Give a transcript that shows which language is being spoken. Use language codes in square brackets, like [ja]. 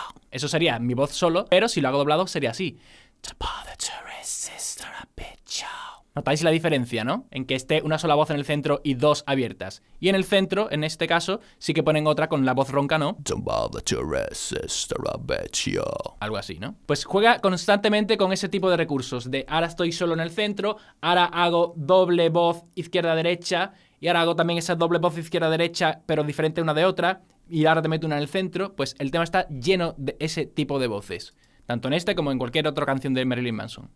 [es] Eso sería mi voz solo, pero si lo hago doblado sería así. Notáis la diferencia, ¿no? En que esté una sola voz en el centro y dos abiertas. Y en el centro, en este caso, sí que ponen otra con la voz ronca, ¿no? [en] Don't bother to resist, I bet you. [es] Algo así, ¿no? Pues juega constantemente con ese tipo de recursos. De ahora estoy solo en el centro, ahora hago doble voz izquierda-derecha, y ahora hago también esa doble voz izquierda-derecha, pero diferente una de otra, y ahora te meto una en el centro. Pues el tema está lleno de ese tipo de voces. Tanto en este como en cualquier otra canción de Marilyn Manson.